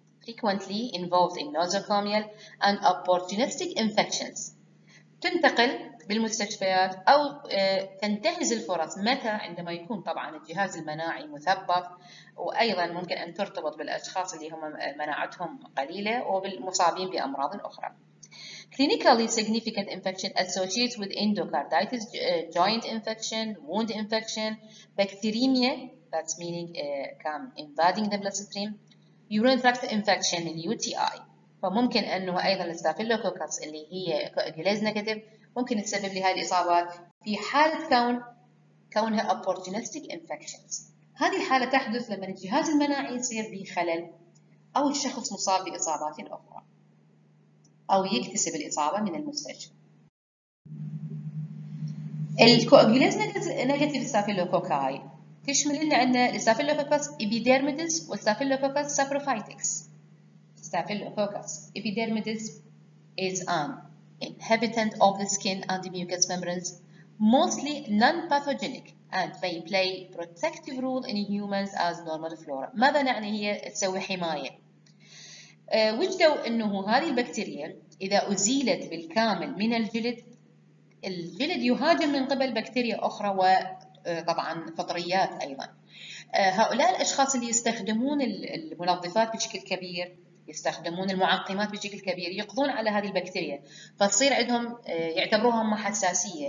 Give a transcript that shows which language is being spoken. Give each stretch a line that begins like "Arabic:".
English: Frequently involved in nosocomial and opportunistic infections.
Arabic: تنتقل بالمستشفيات أو تنتهز الفرص متى؟ عندما يكون طبعاً الجهاز المناعي مثبط، وأيضاً ممكن أن ترتبط بالأشخاص اللي هم مناعتهم قليلة وبالمصابين بأمراض أخرى.
English: Clinically significant infection associates with endocarditis, joint infection, wound infection, bacteremia, that's meaning come invading the bloodstream, urine tract infection, UTI.
Arabic: فممكن أنه أيضاً الستافيلوكوكس اللي هي كوأجوليز نيجاتيف ممكن تسبب لي هذه الإصابات في حالة كونها opportunistic infections. هذه الحالة تحدث لما الجهاز المناعي يصير به خلل أو الشخص مصاب بإصابات أخرى أو يكتسب الإصابة من المستشفى. الكوأجوليز نيجاتيف ستافيلوكوكاي تشمل اللي عندنا الستافيلوكوكس إبيديرميدس والستافيلوكوكس سابروفايتكس.
English: Staphylococcus epidermidis is an inhabitant of the skin and the mucous membranes, mostly non-pathogenic, and may play protective role in humans as normal flora.
Arabic: ماذا نعني هي تسوي حماية؟ وجدوا أنه هذه البكتيريا إذا أزيلت بالكامل من الجلد، الجلد يهاجم من قبل بكتيريا أخرى وطبعاً فطريات أيضاً. هؤلاء الأشخاص اللي يستخدمون المنظفات بشكل كبير، يستخدمون المعقمات بشكل كبير، يقضون على هذه البكتيريا فتصير عندهم يعتبروها ما حساسية.